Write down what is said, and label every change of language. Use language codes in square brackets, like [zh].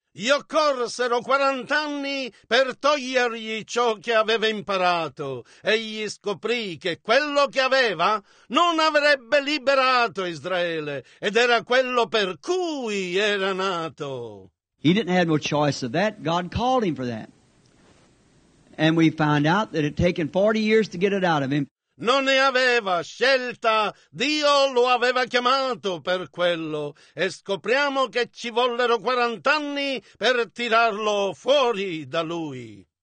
[it] Gli occorsero 40 anni per togliergli ciò che aveva imparato. Egli scoprì che quello che aveva non avrebbe liberato Israele, ed era quello per cui era nato. [en] He didn't have no choice of that. God called him for that. And we found out that it had taken 40 years to get it out of him. [it] Non ne aveva scelta, Dio lo aveva chiamato per quello, e scopriamo che ci vollero 40 anni per tirarlo fuori da lui.